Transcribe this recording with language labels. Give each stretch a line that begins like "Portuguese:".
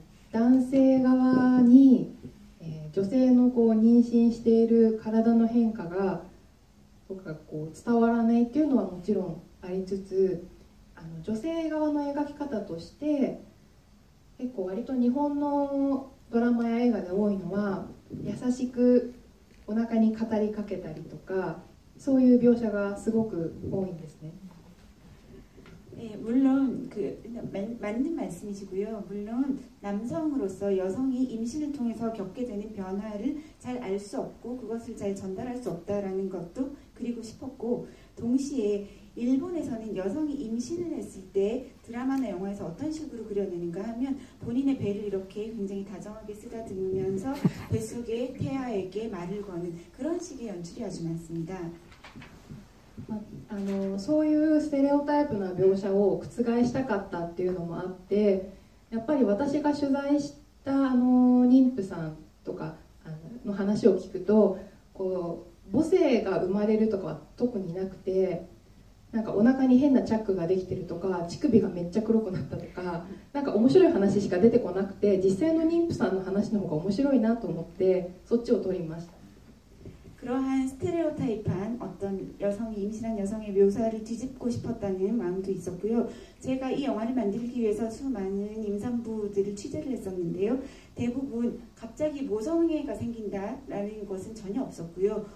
Japanese: 男性側に、女性のこう妊娠している体の変化がとかこう伝わらないっていうのはもちろんありつつあの女性側の描き方として結構割と日本のドラマや映画で多いのは優しくお腹に語りかけたりとかそういう描写がすごく多いんですね。
Korean: 네, 물론 맞는 말씀이시고요. 물론 남성으로서 여성이 임신을 통해서 겪게 되는 변화를 잘 알 수 없고 그것을 잘 전달할 수 없다라는 것도 그리고 싶었고 동시에 일본에서는 여성이 임신을 했을 때 드라마나 영화에서 어떤 식으로 그려내는가 하면 본인의 배를 이렇게 굉장히 다정하게 쓰다듬으면서 뱃속에 태아에게 말을 거는 그런 식의 연출이 아주 많습니다.
Japanese: そういうステレオタイプな描写を覆したかったっていうのもあってやっぱり私が取材した妊婦さんとかの話を聞くとこう母性が生まれるとかは特になくてなんかお腹に変なチャックができてるとか乳首がめっちゃ黒くなったとかなんか面白い話しか出てこなくて実際の妊婦さんの話の方が面白いなと思ってそっちを撮りました。
Korean: 그러한 스테레오타입한 어떤 여성이 임신한 여성의 묘사를 뒤집고 싶었다는 마음도 있었고요. 제가 이 영화를 만들기 위해서 수많은 임산부들을 취재를 했었는데요. 대부분 갑자기 모성애가 생긴다라는 것은 전혀 없었고요.